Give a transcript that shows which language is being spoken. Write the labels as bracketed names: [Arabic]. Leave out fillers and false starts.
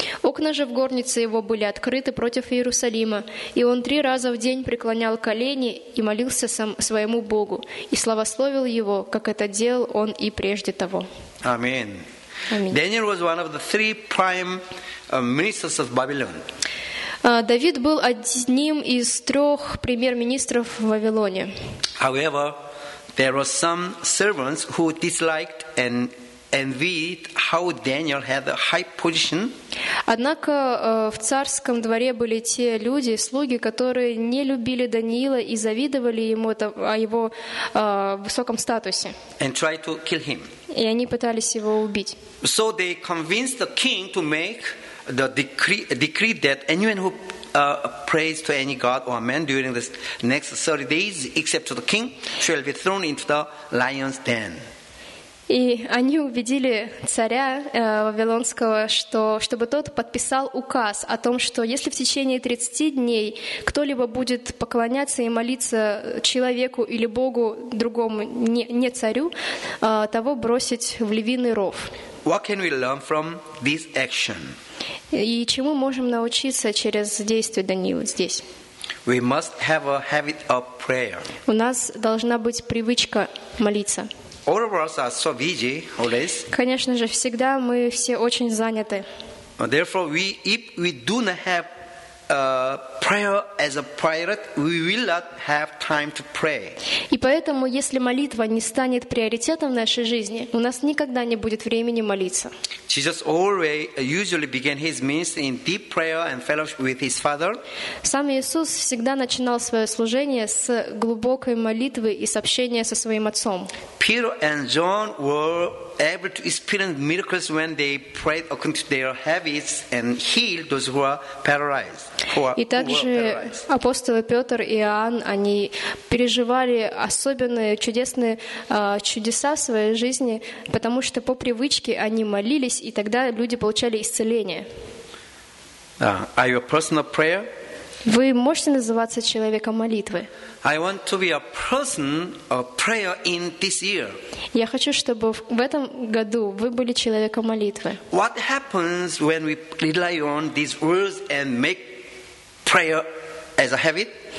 [Russian] Окна же в горнице его были открыты против Иерусалима, и он 3 раза в день преклонял колени и молился своему Богу, и славословил его, как это делал он и прежде того. Аминь. Даниил был одним из 3 [English] prime ministers of Babylon. [Russian] Давид был одним из 3 премьер-министров в Вавилоне. [English] However, there were some servants who disliked and envied how Daniel had a high position. [Russian] Однако в царском дворе были те люди, слуги, которые не любили Даниила и завидовали ему о его высоком статусе. [English] And tried to kill him. [Russian] И они пытались его убить. [English] So they convinced the king to make the decree that anyone who prays to any god or man during the next 30 days except to the king shall be thrown into the lion's den. [Russian] И они убедили царя Вавилонского, чтобы тот подписал указ о том, что если в течение 30 дней кто-либо будет поклоняться и молиться человеку или богу другому, не царю, того бросить в львиный ров. [English] What can we learn from this action? [Russian] И чему можем научиться через действие Даниила здесь? [English] We must have a habit of prayer. [Russian] У нас должна быть привычка молиться. [English] All of us are so busy always. [Russian] Конечно же, всегда мы все очень заняты. [English] Therefore, if we do not have prayer as a priority, we will not have time to pray. [Russian] И поэтому, если молитва не станет приоритетом в нашей жизни, у нас никогда не будет времени молиться. [English] Jesus always usually began his ministry in deep prayer and fellowship with his Father. [Russian] Сам Иисус всегда начинал своё служение с глубокой молитвы и сообщения со своим Отцом. [English] Peter and John were able to experience miracles when they prayed according to their habits and healed those who were paralyzed. [Russian] И также апостолы Петр и Иоанн, они переживали особенные чудесные чудеса в своей жизни, потому что по привычке они молились, и тогда люди получали исцеление. [English] Are you a personal prayer? [Russian] Вы можете называться человеком молитвы? [English] I want to be a person of prayer in this year. [Russian] Я хочу, чтобы в этом году вы были человеком молитвы. [English] What happens when we rely on these words and make prayer as a habit?